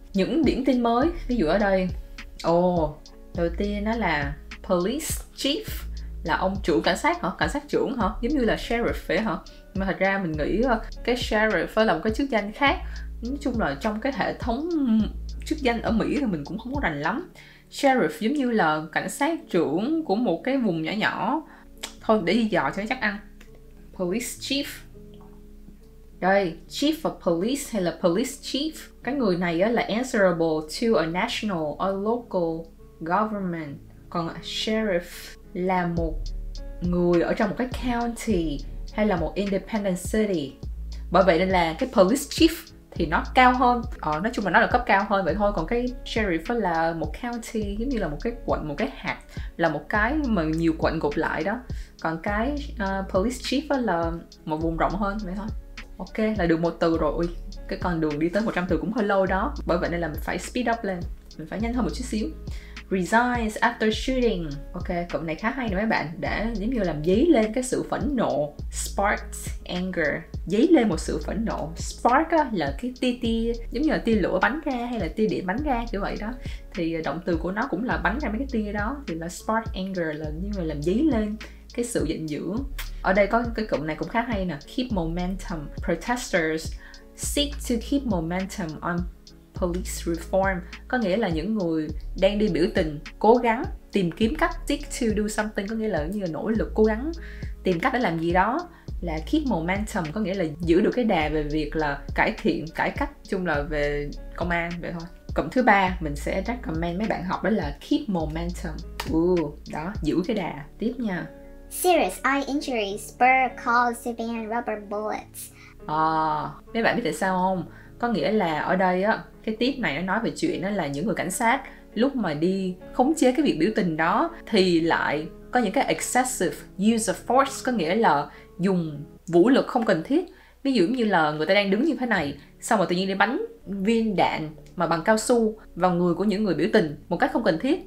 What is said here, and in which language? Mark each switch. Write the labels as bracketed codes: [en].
[vi] Những điểm tin mới ví dụ ở đây, đầu tiên đó là police chief, là ông chủ cảnh sát hả, cảnh sát trưởng hả, giống như là sheriff phải hả. Mà thật ra mình nghĩ cái sheriff là một cái chức danh khác. Nói chung là trong cái hệ thống chức danh ở Mỹ thì mình cũng không có rành lắm. Sheriff giống như là cảnh sát trưởng của một cái vùng nhỏ nhỏ. Thôi để đi dò cho chắc ăn. Police chief. Đây, chief of police hay là police chief. Cái người này là [en] answerable to a national or local government. [vi] Còn sheriff là một người ở trong một cái county hay là một independent city. Bởi vậy nên là cái police chief thì nó cao hơn, nói chung là nó là cấp cao hơn vậy thôi. Còn cái sheriff là một county, giống như là một cái quận, một cái hạt, là một cái mà nhiều quận gộp lại đó. Còn cái police chief là một vùng rộng hơn vậy thôi. Ok, là được một từ rồi. Ui, cái con đường đi tới 100 từ cũng hơi lâu đó. Bởi vậy nên là mình phải speed up lên, mình phải nhanh hơn một chút xíu. [en] Resigns after shooting. [vi] Ok, cụm này khá hay nè mấy bạn. Đã giống như làm dấy lên cái sự phẫn nộ. [en] Sparked anger. [vi] Dấy lên một sự phẫn nộ. Spark á, là cái tia tia, giống như là tia lửa bắn ra hay là tia điện bắn ra kiểu vậy đó. Thì động từ của nó cũng là bắn ra mấy cái tia đó. Thì là spark anger là như là làm dấy lên cái sự giận dữ. Ở đây có cái cụm này cũng khá hay nè. Keep momentum. [en] Protesters seek to keep momentum on police reform, [vi] có nghĩa là những người đang đi biểu tình cố gắng tìm kiếm cách, seek to do something có nghĩa là như là nỗ lực, cố gắng tìm cách để làm gì đó, là keep momentum có nghĩa là giữ được cái đà về việc là cải thiện, cải cách, chung là về công an vậy thôi. Cụm thứ ba mình sẽ recommend mấy bạn học đó là keep momentum. Đó, giữ cái đà. Tiếp nha. [en] Serious eye injuries spur calls to ban rubber bullets. [vi] Mấy bạn biết tại sao không? Có nghĩa là ở đây á, cái tip này nó nói về chuyện đó là những người cảnh sát lúc mà đi khống chế cái việc biểu tình đó thì lại có những cái [en] excessive use of force, [vi] có nghĩa là dùng vũ lực không cần thiết. Ví dụ như là người ta đang đứng như thế này, xong rồi tự nhiên đi bắn viên đạn mà bằng cao su vào người của những người biểu tình một cách không cần thiết.